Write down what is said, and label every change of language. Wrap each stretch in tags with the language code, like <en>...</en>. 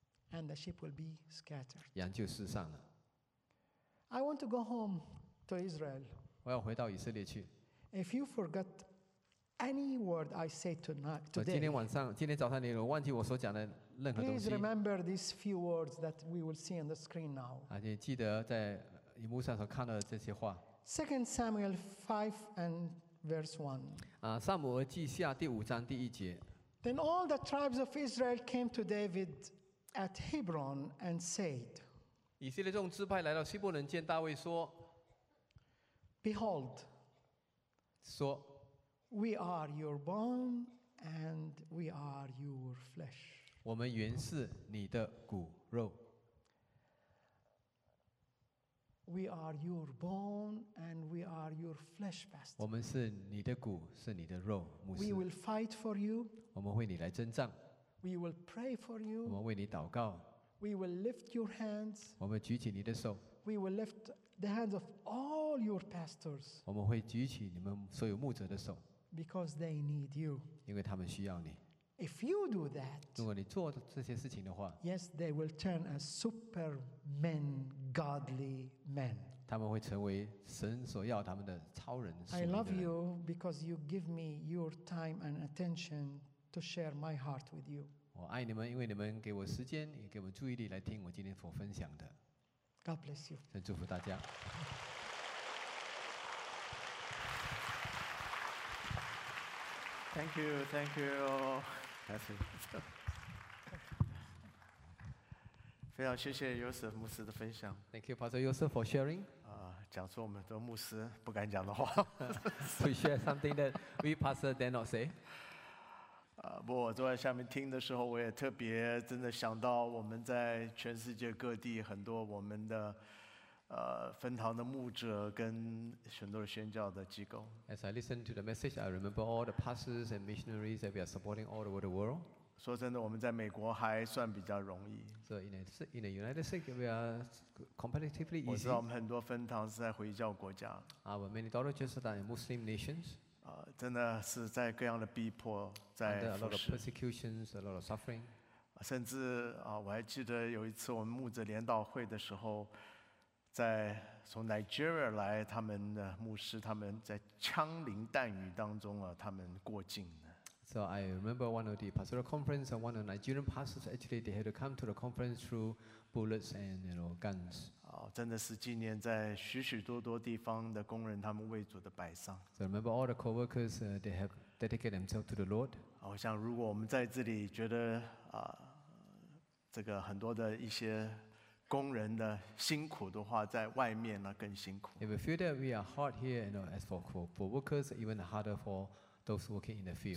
<en>And the sheep will be scattered.</en> <zh>羊就失散了。</zh> <en>I want to go home to Israel.</en> <zh>我要回到以色列去。</zh> <en>If you forget. Any word I say tonight, today,</en> <zh>今天早上你有忘记我所讲的任何东西。</zh> <en>Please remember these few words that we will see on the screen now.</en> <zh>啊，你记得在荧幕上所看到的这些话。</zh> <en>Second Samuel 5:1.</en> <zh>啊，撒母耳记下第五章第一节。</zh> <en>Then all the tribes of Israel came to David at Hebron and said,</en> <zh>以色列众支派来到希伯伦见大卫说</zh> <en>，Behold,</en> <zh>说。</zh> <en>We are your bone and we are your flesh.</en> <zh>我们原是你的骨肉。</zh> <en>We are your bone and we are your flesh, Pastor.</en> <zh>我们是你的骨，是你的肉，牧师。</zh> <en>We will fight for you.</en> <zh>我们为你来征战。</zh> <en>We will pray for you.</en> <zh>我们为你祷告。</zh> <en>We will lift your hands.</en> <zh>我们举起你的手。</zh> <en>We will lift the hands of all your pastors.</en> <zh>我们会举起你们所有牧者的手。</zh> <en>Because they need you.</en> <zh>因为他们需要你。</zh> <en>If you do that,</en> <zh>如果你做这些事情的话</zh> <en>，Yes, they will turn as supermen, godly men.</en> <zh>他们会成为神所要他们的超人。</zh> <en>I love you because you give me your time and attention to share my heart with you.</en> <zh>我爱你们，因为你们给我时间，也给我注意力来听我今天所分享的。</zh> <en>God bless you.</en> <zh>神祝福大家。</zh> <en>Thank you, thank you.</en> <zh>非常谢谢 Joseph 牧师的分享。</zh> <en>Thank you, Pastor Joseph, for sharing.</en> <zh>啊，讲出我们的牧师不敢讲的话。</zh> <en>To share something that we pastor dare not say.</en> <zh>啊，不，我坐在下面听的时候，我也特别真的想到我们在全世界各地很多我们的。分堂的牧者跟很多宣教的机构。</zh> <en>As I listen to the message, I remember all the pastors and missionaries that we are supporting all over the world.</en> <zh>说真的，我们在美国还算比较容易。</zh> <en>So in the United States, we are comparatively easy.</en> <zh>我知道我们很多分堂是在回教国家。</zh> <en>Our many daughter churches are in Muslim nations.</en> <zh>真的是在各样的逼迫，在服侍。</zh> <en>Under a lot of persecutions, a lot of suffering.</en> <zh>甚至我还记得有一次我们牧者联祷会的时候。在从 Nigeria 来，他们的牧师他们在枪林弹雨当中啊，他们过境了。</zh> <en>So I remember one of the pastoral conference, and one of the Nigerian pastors actually they had to come to the conference through bullets and you know guns.</en> <zh>真的是纪念在许许多多地方的工人他们为主的摆上。</zh> <en>So remember all the co-workers they have dedicated themselves to the Lord.</en> <zh>我想如果我们在这里觉得这个很多的一些。工人的辛苦的话，在外面呢更辛苦。</zh> <en>If we feel that we are hard here, you know, as for workers, even harder for those working in the field.</en>